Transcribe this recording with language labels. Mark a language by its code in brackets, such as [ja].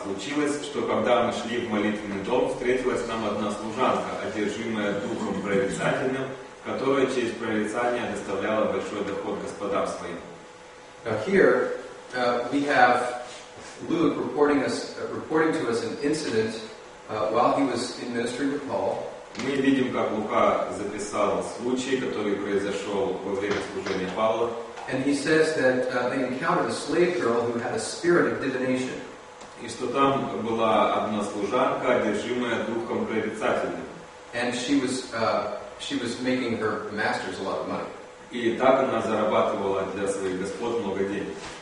[ru] Случилось, что когда мы шли в молитвенный дом, встретилась нам одна служанка, одержимая духом прорицательным, которая через прорицание доставляла большой доход господам своим. [en] Now here we have Luke reporting to us an incident while he was in ministry with Paul. [ru] Мы видим, как Лука записал случай, который произошел во время служения Павла. [en] And he says that they encountered a slave girl who had a spirit of divination. [ru] И что там была одна служанка, одержимая духом прорицательным. [en] And she was making her masters a lot of money. [ru] И так она зарабатывала для своих господ много денег.